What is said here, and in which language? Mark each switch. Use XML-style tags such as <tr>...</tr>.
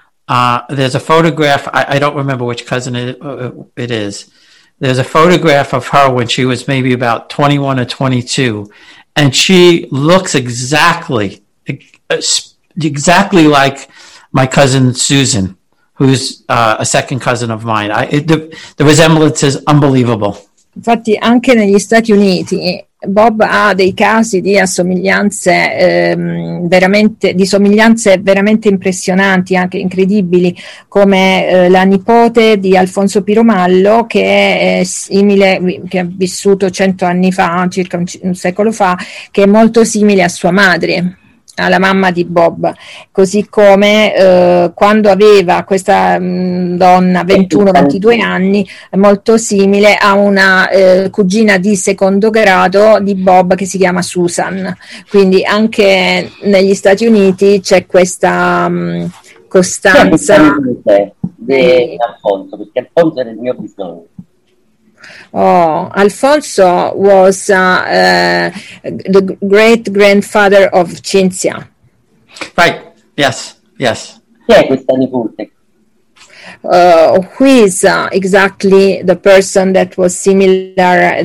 <en>There's a photograph. I don't remember which cousin it is, there's a photograph of her when she was maybe about 21 or 22, and she looks exactly like my cousin Susan, who's a second cousin of mine. The resemblance is unbelievable.</en> <it>Infatti, anche negli Stati Uniti, Bob ha dei casi di assomiglianze veramente impressionanti, anche incredibili, come la nipote di Alfonso Piromallo, che è simile, che ha vissuto 100 anni fa, circa un secolo fa, che è molto simile a sua madre, alla mamma di Bob, così come quando aveva questa donna 21-22 anni, molto simile a una cugina di secondo grado di Bob che si chiama Susan. Quindi anche negli Stati Uniti c'è questa costanza. Alfonso, perché Alfonso era il mio bisogno.</it> <en>Oh, Alfonso was the great grandfather of Cinzia. Right. Yes. Yes. Who is exactly the person that was similar?</en>